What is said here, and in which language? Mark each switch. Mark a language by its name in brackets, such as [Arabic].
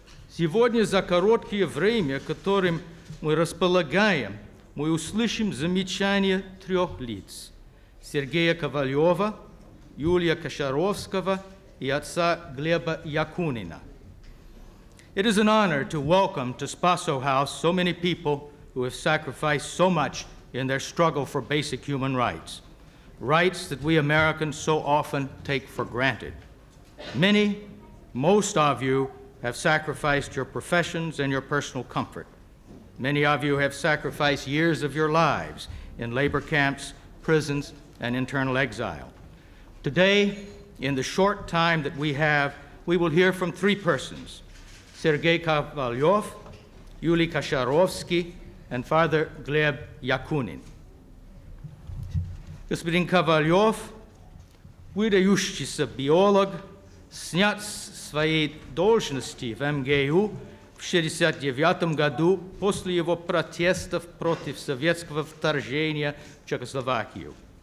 [Russian] Сегодня за короткое время, которым мы располагаем, мы услышим замечания трех лиц – Сергея Ковалева, Юлия Кошаровского и отца Глеба Якунина. [English] It is an honor to welcome to Spaso House so many people who have sacrificed so much in their struggle for basic human rights, rights that we Americans so often take for granted. Many, most of you, have sacrificed your professions and your personal comfort. Many of you have sacrificed years of your lives in labor camps, prisons, and internal exile. Today, in the short time that we have, we will hear from three persons, Sergei Kovalyov, Yuli Kasharovsky, and Father Gleb Yakunin. [Russian] Господин Ковалев, выдающийся биолог, снят с своей должности в МГУ в 1969 году после его протестов против советского вторжения в Чехословакию.